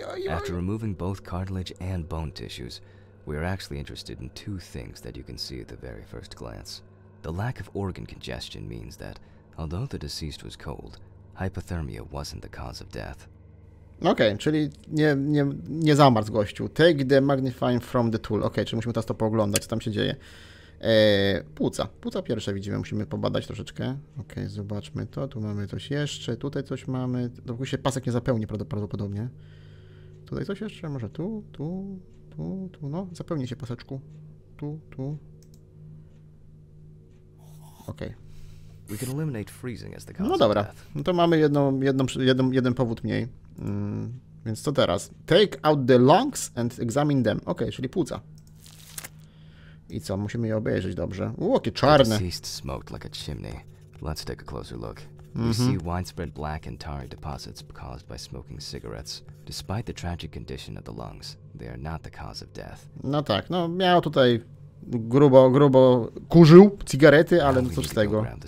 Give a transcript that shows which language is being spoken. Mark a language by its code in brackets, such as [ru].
[en] After removing both cartilage and bone tissues, we are actually interested in two things that you can see at the very first glance. The lack of organ congestion means that, although the deceased was cold, hypothermia wasn't the cause of death. [pl] Okej, okay, czyli nie zamarł gościu. [en] Take the magnifying from the tool. [pl] Okej, czyli musimy teraz to pooglądać, co tam się dzieje. Płuca. Płuca pierwsze widzimy, musimy pobadać troszeczkę. Okej, okay, zobaczmy to. Tu mamy coś jeszcze, tutaj coś mamy. Dopóki się pasek nie zapełni prawdopodobnie. Tutaj coś jeszcze? Może tu, no, zapełni się paseczku. Tu. Okej. Okay. [en] We can eliminate freezing as the cause. [pl] No dobra, no to mamy jeden powód mniej. Więc co teraz? [en] Take out the lungs and examine them. [pl] Okej, okay, czyli płuca. I co, musimy je obejrzeć dobrze. Jakie czarne. [en] The deceased smoked like a chimney. Let's take a closer look. Mm-hmm. You see widespread black and tarry deposits caused by smoking cigarettes. Despite the tragic condition of the lungs, they are not the cause of death. [pl] No tak, no miał tutaj grubo kurzył cigarety, ale no cóż z tego.